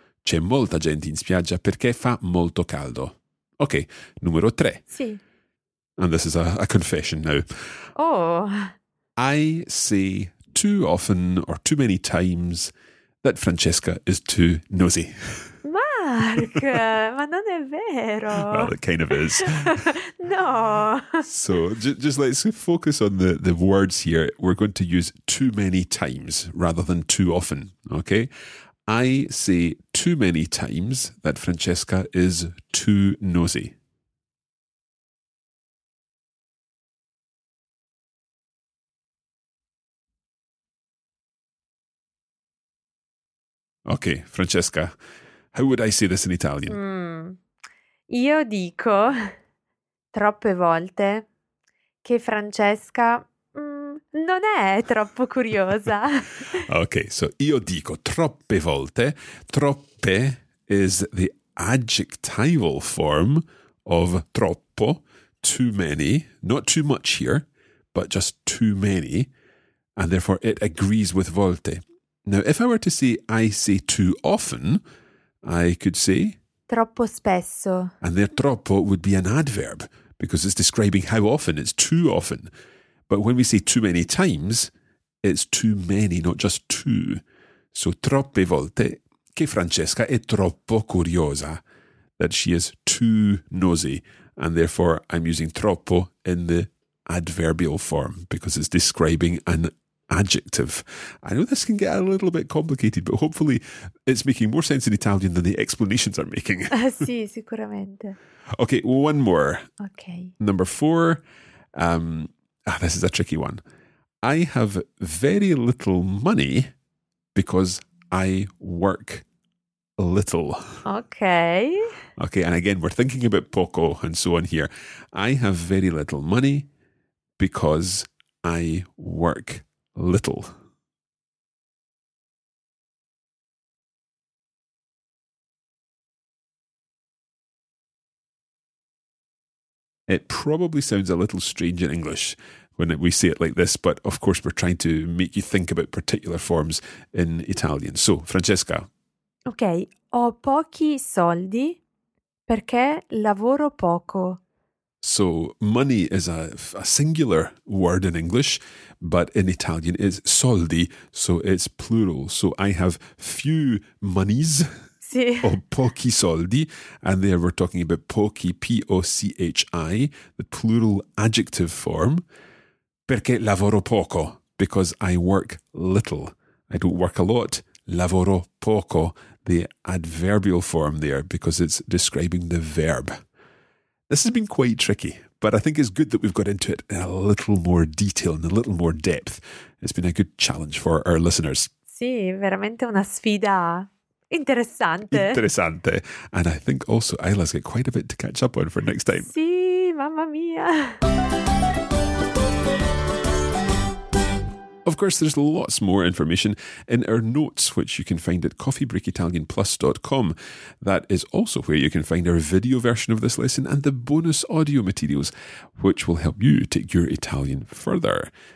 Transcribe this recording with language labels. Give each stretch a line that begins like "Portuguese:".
Italian: C'è molta gente in spiaggia perché fa molto caldo. Okay, numero tre. Sì.
English: And this is a confession now. Oh. I say too often or too many times that Francesca is too nosy. Mark,
Italian: ma non è vero.
English: Well, it kind of is. No. So just let's focus on the words here. We're going to use too many times rather than too often, okay? I say too many times that Francesca is too nosy. Okay, Francesca, how would I say this in Italian?
Italian: Io dico troppe volte che Francesca non è troppo curiosa.
English: Okay, so
Italian: io dico troppe volte.
English: Troppe is the adjectival form of troppo, too many. Not too much here, but just too many. And therefore it agrees with volte. Now, if I were to say I say too often, I could say
Italian: troppo spesso.
English: And there troppo would be an adverb because it's describing how often, it's too often. But when we say too many times, it's too many, not just two. So
Italian: troppe volte che Francesca è troppo curiosa,
English: that she is too nosy. And therefore, I'm using troppo in the adverbial form because it's describing an adjective. I know this can get a little bit complicated, but hopefully it's making more sense in Italian than the explanations are making.
Italian: Sì, sicuramente.
English: Okay, one more. Okay. Number four. This is a tricky one. I have very little money because I work little. Okay. Okay, and again, we're thinking about poco and so on here. I have very little money because I work little. It probably sounds a little strange in English when we say it like this, but of course we're trying to make you think about particular forms in Italian. So, Francesca.
Italian: Ok, ho pochi soldi perché lavoro poco.
English: So, money is a singular word in English, but in Italian it's soldi, so it's plural. So, I have few monies.
Italian: Sì. O pochi soldi,
English: and there we're talking about pochi, P-O-C-H-I, the plural adjective form.
Italian: Perché lavoro poco?
English: Because I work little. I don't work a lot.
Italian: Lavoro poco.
English: The adverbial form there, because it's describing the verb. This has been quite tricky, but I think it's good that we've got into it in a little more detail, in a little more depth. It's been a good challenge for our listeners.
Italian: Sì, veramente una sfida interessante. Interessante.
English: And I think also Isla's got quite a bit to catch up on for next time.
Italian: Sì, mamma mia.
English: Of course, there's lots more information in our notes, which you can find at coffeebreakitalianplus.com. That is also where you can find our video version of this lesson and the bonus audio materials, which will help you take your Italian further.